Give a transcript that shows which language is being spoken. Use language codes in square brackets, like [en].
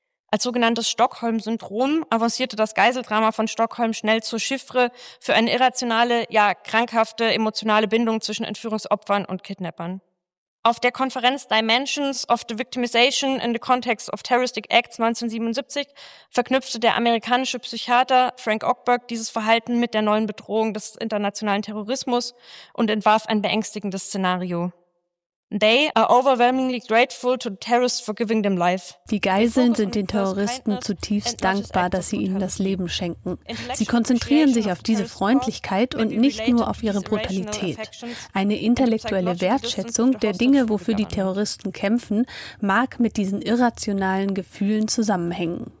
[de] Als sogenanntes Stockholm-Syndrom avancierte das Geiseldrama von Stockholm schnell zur Chiffre für eine irrationale, ja krankhafte emotionale Bindung zwischen Entführungsopfern und Kidnappern. Auf der Konferenz Dimensions of the Victimization in the Context of Terroristic Acts 1977 verknüpfte der amerikanische Psychiater Frank Ogburn dieses Verhalten mit der neuen Bedrohung des internationalen Terrorismus und entwarf ein beängstigendes Szenario. [en] They are overwhelmingly grateful to terrorists for giving them life. [de] Die Geiseln sind den Terroristen zutiefst dankbar, dass sie ihnen das Leben schenken. Sie konzentrieren sich auf diese Freundlichkeit und nicht nur auf ihre Brutalität. Eine intellektuelle Wertschätzung der Dinge, wofür die Terroristen kämpfen, mag mit diesen irrationalen Gefühlen zusammenhängen.